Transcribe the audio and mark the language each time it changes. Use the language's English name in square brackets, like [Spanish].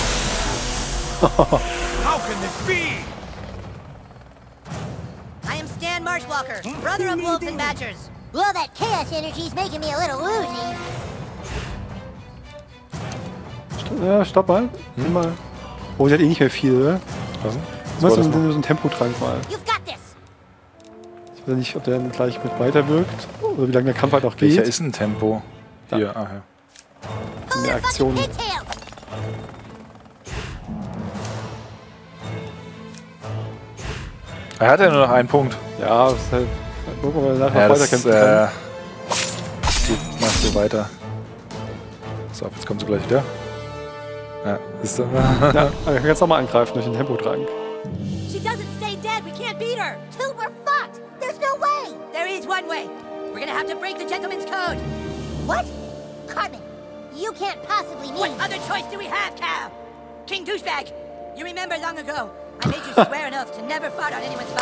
[English] How can this be? I am Stan Marshwalker, brother of wolves and badgers. Well, that chaos energy is making me a little woozy. [German] Ja, stopp mal. Nimm mal. Oh, sie hat eh nicht mehr viel, oder? Was? Du machst so einen Tempotrank mal. [English] You've got this. [German] Ich weiß nicht, ob der dann gleich mit weiter wirkt. Oder wie lange der Kampf halt auch geht. Welcher ist ein Tempo? Da. Hier, ah ja. Eine Aktion. Er hat ja nur noch einen Punkt. Ja, das ist halt. Gucken wir mal nachher weiterkämpfen. Gut, machst du weiter. So, jetzt kommst du gleich wieder. Ja, ist doch. Ja, aber ich kann jetzt nochmal angreifen durch den Tempotrank. [English] She doesn't stay dead, we can't beat her! Two, we're fucked! There's no way! There is one way! We're gonna have to break the gentleman's code! What? Carmen, you can't possibly mean... What other choice do we have, Cal? King Douchebag, you remember long ago, I made you swear an oath to never fart on anyone's body.